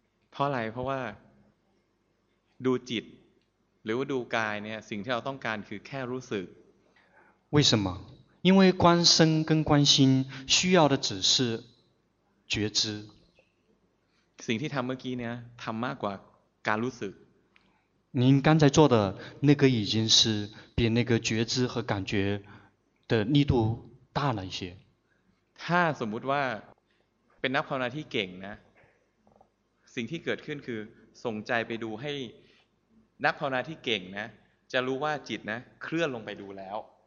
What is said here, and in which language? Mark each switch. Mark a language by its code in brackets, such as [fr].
[th] เพราะอะไรเพราะว่าดูจิตหรือว่าดูกายเนี่ยสิ่งที่เราต้องการคือแค่รู้สึก [zh] 为什么因为观身跟观心需要的只是觉知。 [th] สิ่งที่ทำเมื่อกี้เนี่ยทำมากกว่าการรู้สึก。 [zh] 您刚才做的那个已经是比那个觉知和感觉的力度大了一些。 [th] ถ้าสมมติว่าเป็นนักภาวนาที่เก่งนะสิ่งที่เกิดขึ้นคือส่งใจไปดูให้นักภาวนาที่เก่งนะจะรู้ว่าจิตนะเคลื่อนลงไปดูแล้ว